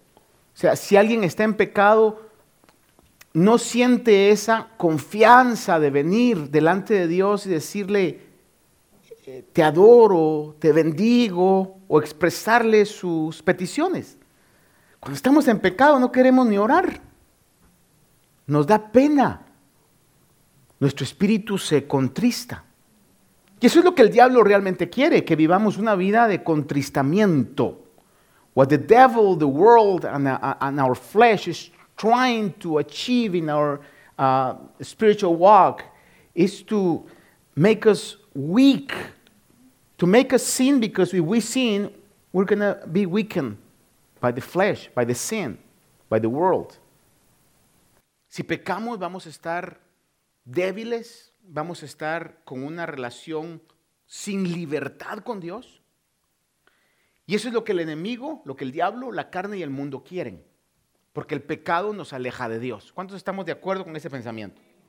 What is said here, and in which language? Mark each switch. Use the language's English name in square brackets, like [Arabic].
[Spanish] O sea, si alguien está en pecado, no siente esa confianza de venir delante de Dios y decirle, te adoro, te bendigo, o expresarle sus peticiones. Cuando estamos en pecado, no queremos ni orar. Nos da pena. Nuestro espíritu se contrista. Y eso es lo que el diablo realmente quiere, que vivamos una vida de contristamiento. [English] What the devil, the world, and our flesh is trying to achieve in our spiritual walk is to make us weak, to make us sin, because if we sin, we're going to be weakened by the flesh, by the sin, by the world. [Spanish] Si pecamos, vamos a estar débiles, vamos a estar con una relación sin libertad con Dios. Y eso es lo que el enemigo, lo que el diablo, la carne y el mundo quieren. Porque el pecado nos aleja de Dios. ¿Cuántos estamos de acuerdo con ese pensamiento?